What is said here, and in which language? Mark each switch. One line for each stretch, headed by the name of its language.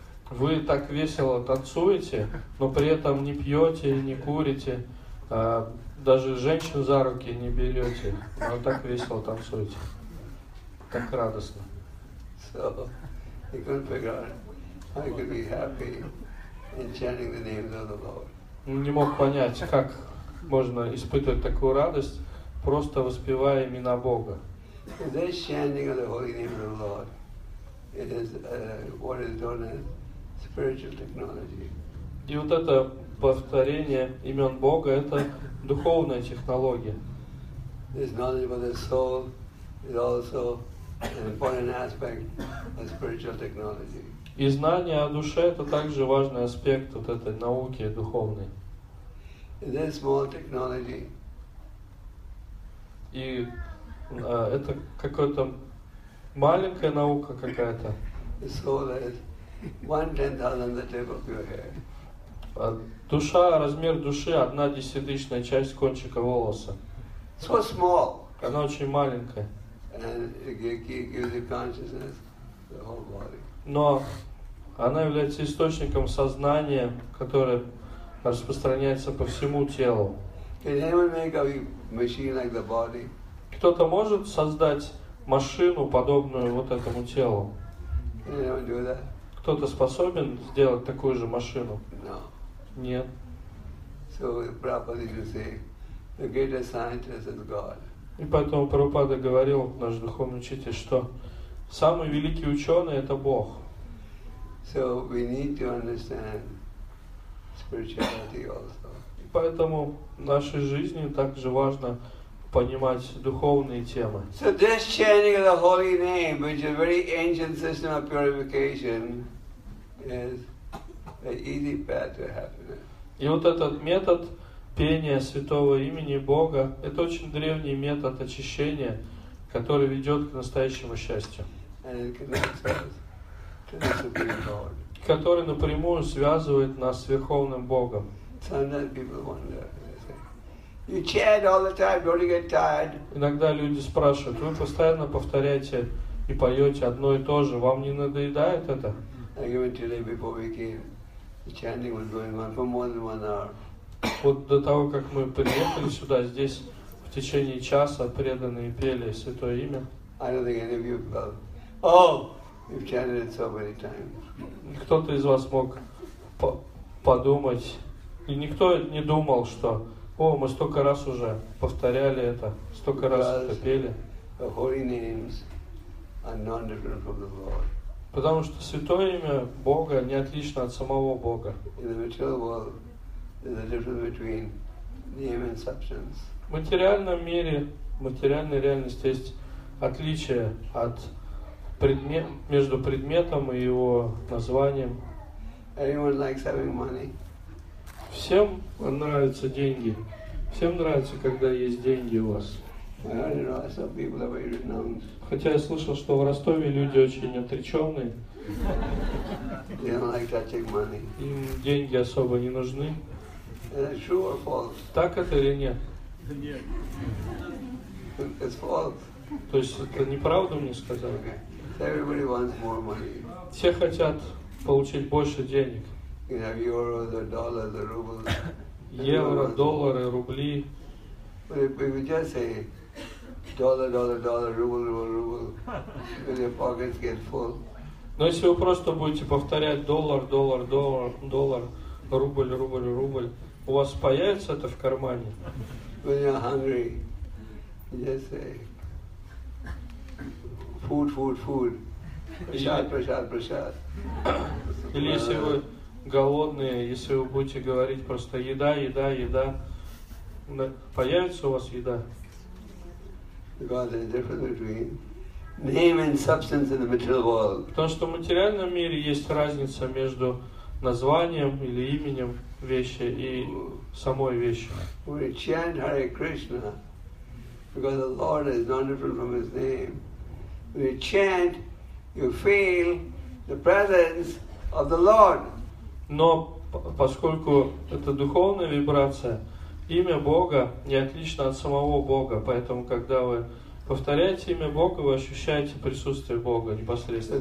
Russian: Вы так весело танцуете, но при этом не пьете, не курите, даже женщин за руки не берете, но так весело танцуете, так радостно.
English: So, he couldn't figure out how he could be happy in chanting the names of the Lord.
Russian: Не мог понять, как можно испытывать такую радость, просто воспевая имена Бога.
English: This chanting of the holy name of the Lord it is what is known as spiritual technology.
Russian: И вот это повторение имен Бога – это духовная технология.
English: This knowledge of the soul is also an important aspect of spiritual technology.
Russian: И знание о душе – это также важный аспект вот этой науки духовной.
English: And this small technology.
Russian: И это какая-то маленькая наука какая-то.
English: The soul is 1/10 the tip of your hair.
Russian: Душа, размер души, 1/10 часть кончика волоса.
English: So small.
Russian: Она очень маленькая.
English: And it gives you consciousness, the whole body.
Russian: Но она является источником сознания, которое распространяется по всему телу.
English: Can anyone make a machine like the body?
Russian: Кто-то может создать машину, подобную вот этому телу?
English: Can anyone do that?
Russian: Кто-то способен сделать такую же машину?
English: No.
Russian: Нет.
English: So, Prabhupada, you say, the greatest scientist is God.
Russian: И поэтому Прабхупада говорил, наш духовный учитель, что самый великий ученый — это Бог.
English: So we need to understand spirituality also.
Russian: И поэтому в нашей жизни также важно понимать духовные темы.
English: So this chanting of the holy name, which is a very ancient system of purification, is an easy path to happiness.
Russian: И вот этот метод пения святого имени Бога — это очень древний метод очищения, который ведет к настоящему счастью.
English: And it connects us to the Supreme Lord.
Russian: Который напрямую связывает нас с Верховным Богом.
English: Sometimes people wonder. You chant all the time, don't you get tired?
Russian: Иногда люди спрашивают, вы постоянно повторяете и поете одно и то же, вам не надоедает это?
English: Even today before we came, the chanting was going on for more than 1 hour.
Russian: Вот до того, как мы приехали сюда, здесь в течение часа преданные пели Святое Имя.
English: I don't think any of you felt, oh, you've chanted it so many times.
Russian: Кто-то из вас мог подумать, и никто не думал, что о, мы столько раз уже повторяли это, столько раз это пели.
English: The holy names are non-different from the Lord.
Russian: Потому что Святое Имя Бога не отлично от самого Бога.
English: In the material world, there's a difference between name and substance.
Russian: В материальном мире, в материальной реальности есть отличие от между предметом и его названием.
English: Everyone likes having money.
Russian: Всем нравятся деньги. Всем нравится, когда есть деньги у вас. Хотя я слышал, что в Ростове люди очень отреченные.
English: They don't like touching money.
Russian: Им деньги особо не нужны.
English: True or false?
Russian: Так это или нет? Нет.
English: It's false.
Russian: То есть это неправда мне сказали?
English: Okay. Everybody wants more money.
Russian: Все хотят получить больше денег.
English: You have euros, the dollars, the rubles.
Russian: Евро, доллары, рубли.
English: But if you just say dollar, dollar, dollar, ruble, ruble, ruble, will your pockets get full?
Russian: Но если вы просто будете повторять доллар, доллар, доллар, доллар, рубль, рубль, рубль, у вас появится это в кармане?
English: When you're hungry, just say food, food, food, prasad, prasad, prasad.
Russian: Или если вы голодные, если вы будете говорить просто еда, еда, еда, появится у вас еда?
English: Name and substance in the material world.
Russian: Потому что в материальном мире есть разница между названием или именем вещи и самой вещи.
English: We chant Hare Krishna because the Lord is not different from His name. When you chant, you feel the presence of the Lord.
Russian: Но поскольку это духовная вибрация, имя Бога не отлично от самого Бога, поэтому когда вы повторяете имя Бога, вы ощущаете присутствие Бога непосредственно.